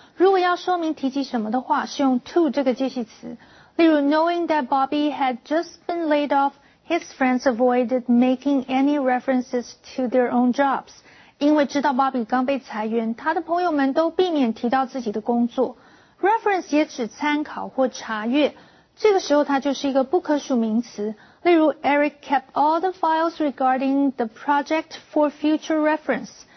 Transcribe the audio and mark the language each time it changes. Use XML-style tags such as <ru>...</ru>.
<zh>如果要说明提及什么的话，是用 to 这个介系词。例如</zh> <en>knowing that Bobby had just been laid off, his friends avoided making any references to their own jobs.</en> <zh>因为知道 Bobby 刚被裁员，他的朋友们都避免提到自己的工作。 Reference 也指参考或查阅，这个时候它就是一个不可数名词。例如</zh> <en>，Eric kept all the files regarding the project for future reference.</en>